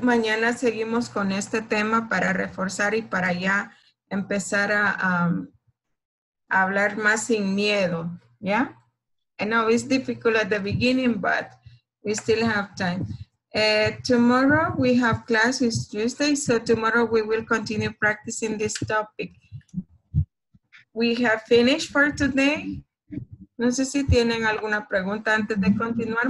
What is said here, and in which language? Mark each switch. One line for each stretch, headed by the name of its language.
Spanish: Mañana seguimos con este tema para reforzar y para ya empezar a hablar más sin miedo.
English: Yeah? I know it's difficult at the beginning, but we still have time. Tomorrow we have class, it's Tuesday, so tomorrow we will continue practicing this topic. We have finished for today.
Spanish: No sé si tienen alguna pregunta antes de continuar.